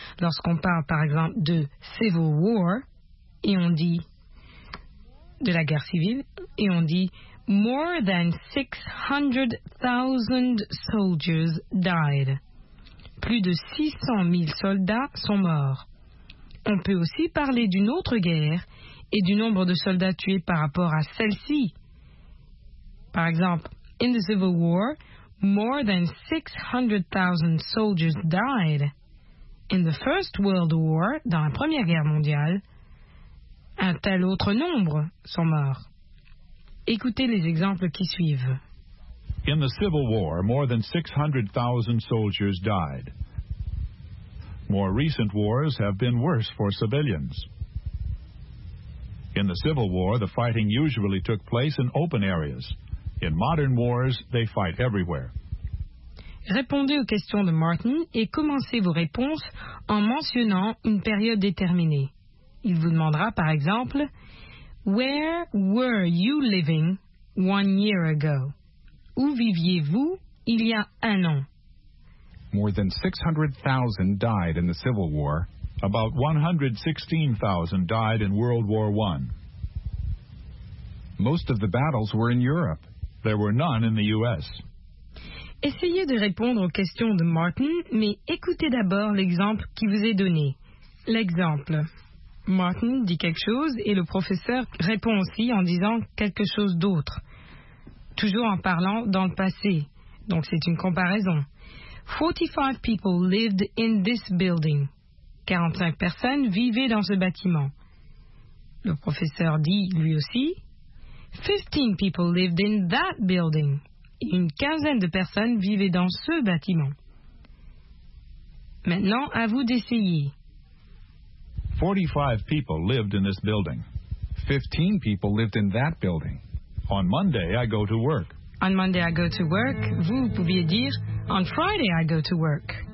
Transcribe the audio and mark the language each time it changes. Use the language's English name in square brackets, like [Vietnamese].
[French] Lorsqu'on parle, par exemple, de Civil War, et on dit de la guerre civile, et on dit [English] More than 600,000 soldiers died. [French] Plus de 600 000 soldats sont morts. On peut aussi parler d'une autre guerre et du nombre de soldats tués par rapport à celle-ci. Par exemple, [English] in the Civil War, more than 600,000 soldiers died. In the First World War, [French] dans la Première Guerre mondiale, un tel autre nombre sont morts. Écoutez les exemples qui suivent. [English] In the Civil War, more than 600,000 soldiers died. More recent wars have been worse for civilians. In the Civil War, the fighting usually took place in open areas. In modern wars, they fight everywhere. [French] Répondez aux questions de Martin et commencez vos réponses en mentionnant une période déterminée. Il vous demandera, par exemple, [English] Where were you living 1 year ago? [French] Où viviez-vous il y a un an? [English] More than 600,000 died in the Civil War. About 116,000 died in World War I. Most of the battles were in Europe. There were none in the U.S. [French] Essayez de répondre aux questions de Martin, mais écoutez d'abord l'exemple qui vous est donné. L'exemple. Martin dit quelque chose et le professeur répond aussi en disant quelque chose d'autre. Toujours en parlant dans le passé. Donc c'est une comparaison. [English] 45 people lived in this building. [French] 45 personnes vivaient dans ce bâtiment. Le professeur dit, lui aussi, [English] 15 people lived in that building. [French] Une quinzaine de personnes vivaient dans ce bâtiment. Maintenant, à vous d'essayer. [English] 45 people lived in this building. 15 people lived in that building. On Monday, I go to work. On Monday, I go to work. [French] Vous pouviez dire... [English] On Friday, I go to work.